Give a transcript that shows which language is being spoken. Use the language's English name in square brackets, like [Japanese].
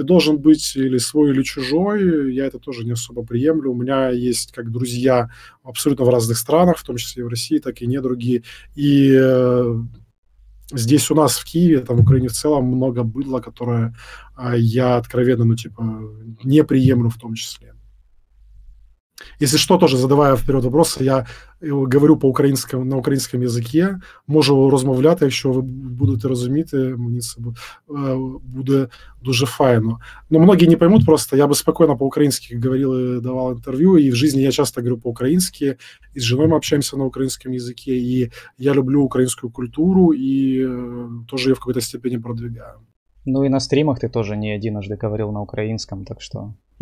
[Russian] И должен быть или свой, или чужой. Я это тоже не особо приемлю. У меня есть как друзья абсолютно в разных странах, в том числе и в России, так и недруги. И здесь у нас, в Киеве, там, в Украине в целом, много быдла, которое... Я откровенно, ну, типа, не приемлю в том числе. Если что, тоже задавая вперед вопросы, я говорю по-украинскому, на украинском языке, [Ukrainian] можу розмовляти, якщо ви будете розуміти, мені це буде дуже файно. [Russian] Но многие не поймут просто, я бы спокойно по-украински говорил и давал интервью, и в жизни я часто говорю по-украински, и с женой мы общаемся на украинском языке, и я люблю украинскую культуру, и тоже ее в какой-то степени продвигаю. Ну и на стримах ты тоже не единожды говорил на украинском, так что